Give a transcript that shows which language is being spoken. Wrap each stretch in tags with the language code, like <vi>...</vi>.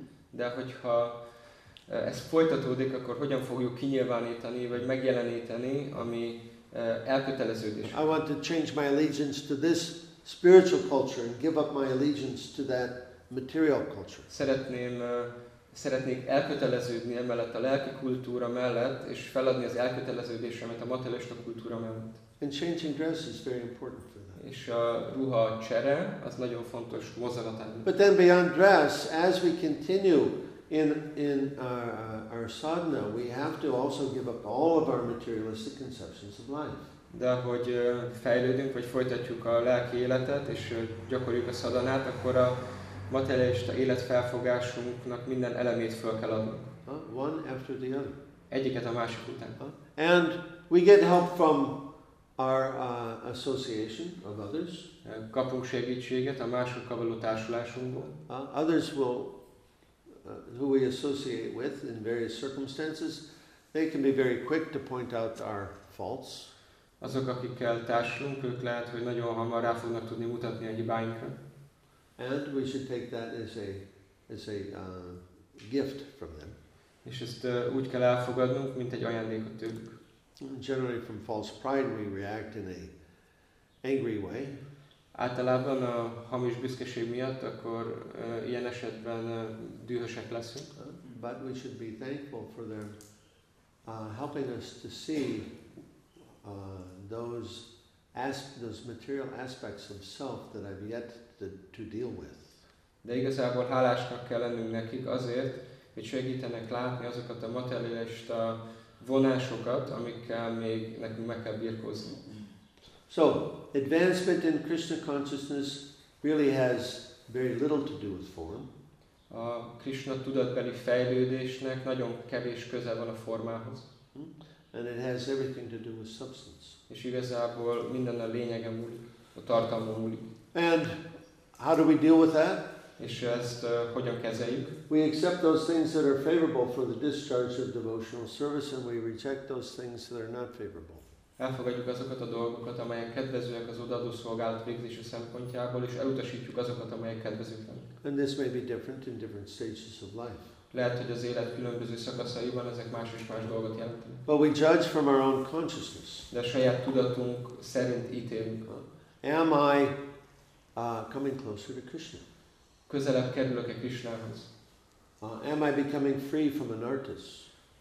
<hu>De hogyha ez folytatódik, akkor hogyan fogjuk kinyilvánítani vagy megjeleníteni ami elköteleződés?</hu> <en>I want to change my allegiance to this spiritual culture and give up my allegiance to that material culture.</en> <hu>Szeretnék elköteleződni emellett a lelki kultúra mellett, és feladni az elköteleződésemet a materialista kultúra mellett.</hu> <en>And changing dress is very important for that.</en> <hu>És a ruha csere, az nagyon fontos mozzanat.</hu> <en>But then beyond dress, as we continue in our sadhana, we have to also give up all of our materialistic conceptions of life.</en> <hu>De ahogy fejlődünk, vagy folytatjuk a lelki életet, és gyakoroljuk a szadanát, akkor a materialista életfelfogásunknak minden elemét föl kell adnunk.</hu> <en>One after the other.</en> <hu>Egyiket a másik után.</hu> <en>And we get help from our association of others.</en> <hu>Kapunk segítséget a másokkal való társulásunkból.</hu> <en>Others will, who we associate with in various circumstances, they can be very quick to point out our faults.</en> <hu>Azok, akikkel társulunk, ők lehet, hogy nagyon hamar rá fognak tudni mutatni a hibáinkra.</hu> <en>And we should take that as a gift from them.</en> <hu>És ezt úgy kell elfogadnunk, mint egy ajándékot tőlük.</hu> <en>Generally from false pride we react in a angry way.</en> <hu>Általában a hamis büszkeség miatt akkor ilyen esetben dühösek leszünk.</hu> <en>But we should be thankful for their helping us to see those material aspects of self that I've yet to deal with.</en> <hu>De igazából hálásnak kell lennünk nekik azért, hogy segítenek látni azokat a materialista vonásokat, amikkel még nekünk meg kell birkózni.</hu> <en>So, advancement in Krishna consciousness really has very little to do with form.</en> <hu>A Krishna tudatbeli fejlődésnek nagyon kevés köze van a formához.</hu> <en>And it has everything to do with substance.</en> <hu>És igazából minden a lényegen múlik, a tartalmon múlik.</hu> <en>And how do we deal with that?</en> <hu>És ezt hogyan kezeljük?</hu> <en>We accept those things that are favorable for the discharge of devotional service, and we reject those things that are not favorable.</en> <hu>Elfogadjuk azokat a dolgokat, amelyek kedvezőek az odaadó szolgálat végzése szempontjából, és elutasítjuk azokat, amelyek kedvezőtlenek.</hu> <en>And this may be different in different stages of life.</en> <hu>Lehet, hogy az élet különböző szakaszaiban ezek más és más dolgot jelentenek.</hu> <en>But we judge from our own consciousness.</en> <hu>De a saját tudatunk szerint ítélünk.</hu> <en>Am I coming closer to Krishna?</en> <hu>Közelebb kerülök-e Krishnához?</hu> <en>Am I becoming free from anartas?</en>